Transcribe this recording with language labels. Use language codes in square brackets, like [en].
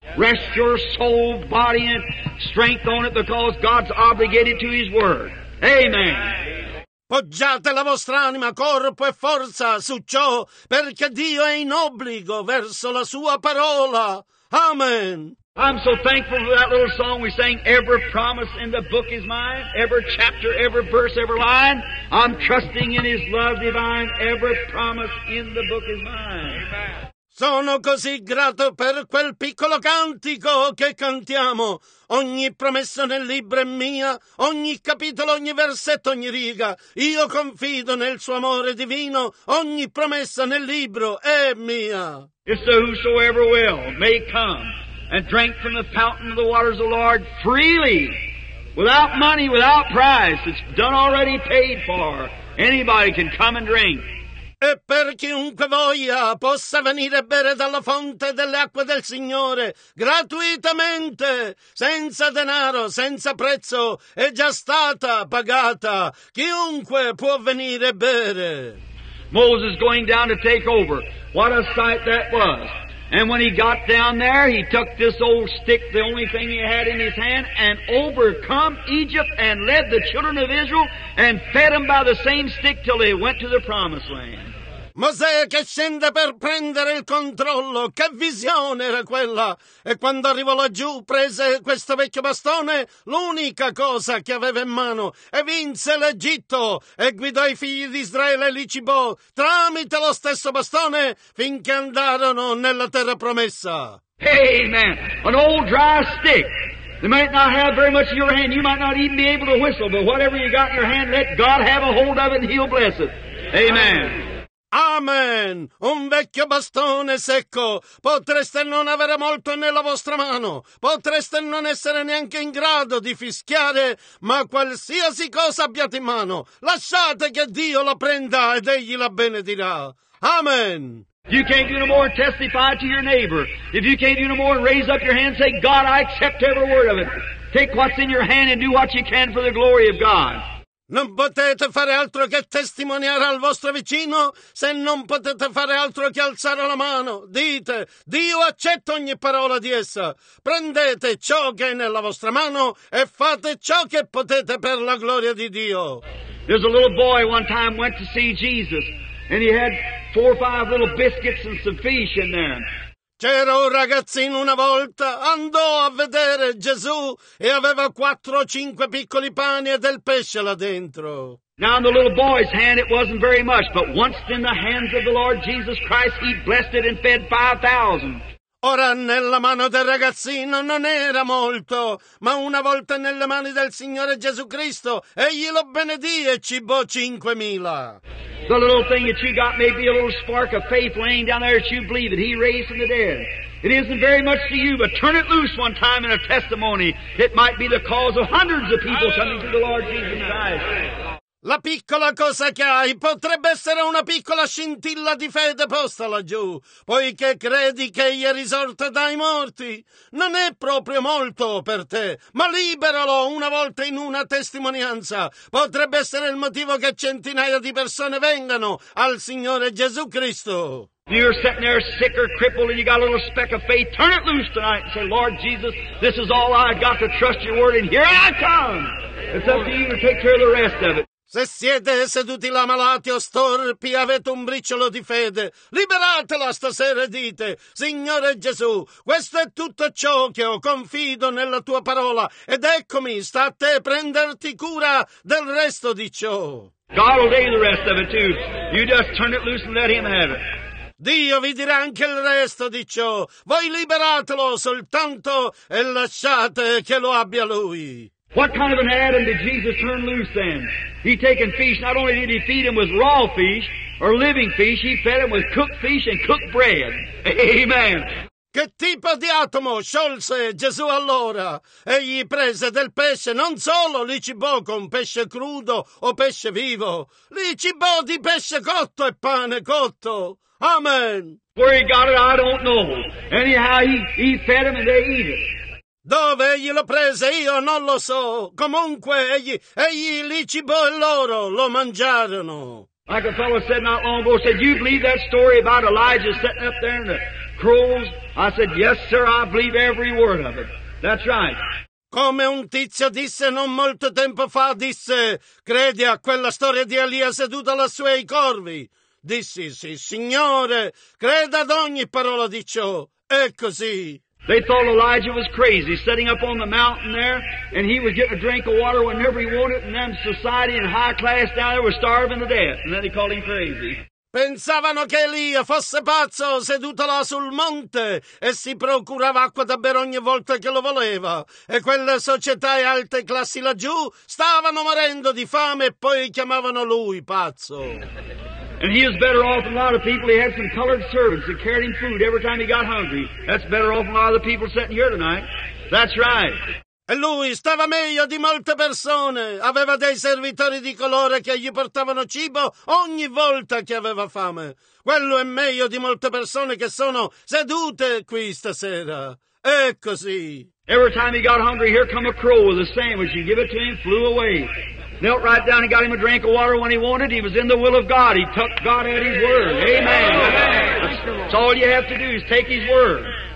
[en] Rest your soul, body, and strength on it, because God's obligated to His word. Amen. [it] Poggiate la vostra anima, corpo e forza su ciò, perché Dio è in obbligo verso la sua parola. Amen. [en] I'm so thankful for that little song we sang, every promise in the book is mine, every chapter, every verse, every line. I'm trusting in His love divine, every promise in the book is mine. Amen. [it] Sono così grato per quel piccolo cantico che cantiamo. Ogni promessa nel libro è mia, ogni capitolo, ogni versetto, ogni riga. Io confido nel suo amore divino, ogni promessa nel libro è mia. [en] It's the whosoever will may come and drink from the fountain of the waters of the Lord freely, without money, without price. It's done already paid for. Anybody can come and drink. [it] E per chiunque voglia possa venire a bere dalla fonte delle acque del Signore, gratuitamente, senza denaro, senza prezzo, è già stata pagata. Chiunque può venire a bere. [en] Moses going down to take over. What a sight that was. And when he got down there, he took this old stick, the only thing he had in his hand, and overcome Egypt and led the children of Israel and fed them by the same stick till they went to the promised land. [it] Mosè che scende per prendere il controllo, che visione era quella! E quando arrivò laggiù, prese questo vecchio bastone, l'unica cosa che aveva in mano, e vinse l'Egitto, e guidò i figli di Israele e li cibò, tramite lo stesso bastone, finché andarono nella terra promessa. [en] Amen! An old dry stick! You might not have very much in your hand, you might not even be able to whistle, but whatever you got in your hand, let God have a hold of it and He'll bless it. Amen! Amen! [it] Un vecchio bastone secco. Potreste non avere molto nella vostra mano. Potreste non essere neanche in grado di fischiare, ma qualsiasi cosa abbiate in mano, lasciate che Dio la prenda ed Egli la benedirà. Amen! [en] You can't do no more and testify to your neighbor. If you can't do no more and raise up your hand and say, God, I accept every word of it. Take what's in your hand and do what you can for the glory of God. [it] Non potete fare altro che testimoniare al vostro vicino se non potete fare altro che alzare la mano. Dite, Dio accetta ogni parola di essa. Prendete ciò che è nella vostra mano e fate ciò che potete per la gloria di Dio. [en] There's a little boy one time went to see Jesus and he had 4 or 5 little biscuits and some fish in there. [it] C'era un ragazzino una volta, andò a vedere Gesù e aveva 4 [en] or [it] 5 piccoli pani e del pesce là dentro. [en] Now in the little boy's hand it wasn't very much, but once in the hands of the Lord Jesus Christ he blessed it and fed 5,000. [it] Ora nella mano del ragazzino non era molto, ma una volta nelle mani del Signore Gesù Cristo egli lo benedì e cibò 5,000. [en] The little thing that you got may be a little spark of faith laying down there that you believe that He raised from the dead. It isn't very much to you, but turn it loose one time in a testimony. It might be the cause of hundreds of people coming to the Lord Jesus Christ. [it] La piccola cosa che hai potrebbe essere una piccola scintilla di fede posta laggiù, poiché credi che egli è risorto dai morti. Non è proprio molto per te, ma liberalo una volta in una testimonianza. Potrebbe essere il motivo che centinaia di persone vengano al Signore Gesù Cristo. [en] you're sitting there sick or crippled and you got a little speck of faith, turn it loose tonight and say, Lord Jesus, this is all I've got to trust your word, and here I come. It's up to you to take care of the rest of it. [it] Se siete seduti là malati o storpi, avete un briciolo di fede, liberatela stasera e dite, Signore Gesù, questo è tutto ciò che ho, confido nella tua parola, ed eccomi, sta a te prenderti cura del resto di ciò. [en] God will give you the rest of it too. You just turn it loose and let him have it. [it] Dio vi dirà anche il resto di ciò. Voi liberatelo soltanto e lasciate che lo abbia lui. [en] What kind of an Adam did Jesus turn loose then? He taken fish, not only did he feed him with raw fish or living fish, he fed him with cooked fish and cooked bread. Amen. [it] Che tipo di atomo sciolse Gesù allora? Egli prese del pesce, non solo li cibò con pesce crudo o pesce vivo, li cibò di pesce cotto e pane cotto. Amen. [en] Where he got it, I don't know. Anyhow, he fed them and they eat it. [it] Dove egli lo prese, io non lo so. Comunque, egli li cibò e loro lo mangiarono. [en] Like a fellow said not long ago, said, you believe that story about Elijah sitting up there in the crows? I said, yes, sir, I believe every word of it. That's right. [it] Come un tizio disse non molto tempo fa, disse, credi a quella storia di Elia seduta lassù ai corvi? Dissi, sì, signore, creda ad ogni parola di ciò. È così. [en] They thought Elijah was crazy, sitting up on the mountain there, and he was getting a drink of water whenever he wanted, and then society and high class down there were starving to death, and then they called him crazy. [it] Pensavano che Elia fosse pazzo, seduto là sul monte, e si procurava acqua da bere ogni volta che lo voleva, e quelle società e alte classi laggiù stavano morendo di fame e poi chiamavano lui pazzo. [en] And he was better off than a lot of people. He had some colored servants that carried him food every time he got hungry. That's better off than a lot of the people sitting here tonight. That's right. [it] E lui stava meglio di molte persone. Aveva dei servitori di colore che gli portavano cibo ogni volta che aveva fame. Quello è meglio di molte persone che sono sedute qui stasera. È così. [en] Every time he got hungry, here come a crow with a sandwich. You give it to him, flew away. Knelt right down and got him a drink of water when he wanted. He was in the will of God. He took God at his word. Amen. That's all you have to do is take his word.